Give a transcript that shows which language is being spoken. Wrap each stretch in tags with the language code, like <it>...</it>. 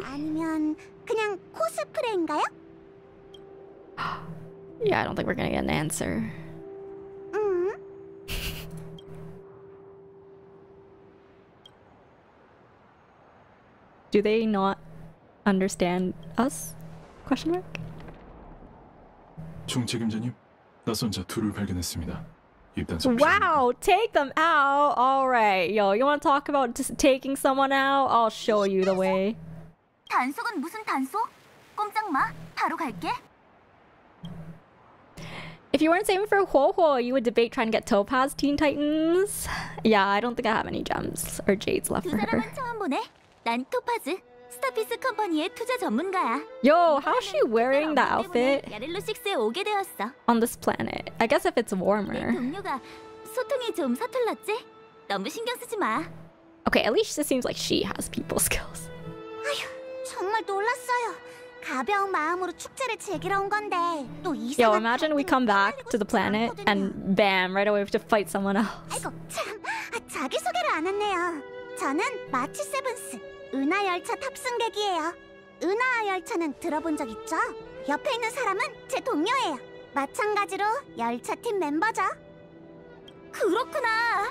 <ko>아니면 그냥 코스프레인가요?</ko> <en>Yeah, I don't think we're gonna get an answer. Do they not understand us? Question mark.</en> <ko>총 책임자님, 낯선자 둘을 발견했습니다.</ko> <en>Wow, take them out. All right, yo, you want to talk about just taking someone out? I'll show you the way.</en> <ko>단속은 무슨 단속? 꼼짝 마, 바로 갈게.</ko> <en>If you weren't saving for Hoho, you would debate trying to get Topaz Teen Titans. Yeah, I don't think I have any gems or jades left for her.</en> <ko>처음 보네. 난 토파즈, 스타피스 컴퍼니의 투자 전문가야.</ko> <en>Yo, how's she wearing that outfit?</en> <ko>야릴로 6에 오게 되었어.</ko> <en>On this planet. I guess if it's warmer.</en> <ko>내 동료가 소통이 좀 서툴렀지? 너무 신경 쓰지 마.</ko> <en>Okay, at least it seems like she has people skills.</en> <ko>아휴, 정말 놀랐어요. 가벼운 마음으로 축제를 즐기러 온 건데 또 이상한...</ko> <en>Yo, imagine we come back to the planet and bam, right away we have to fight someone else.</en> <ko>아이고, 참. 아, 자기소개를 안 했네요. 저는 마치 세븐스. 은하 열차 탑승객이에요. 은하 열차는 들어본 적 있죠? 옆에 있는 사람은 제 동료예요. 마찬가지로 열차 팀 멤버죠. 그렇구나.</ko>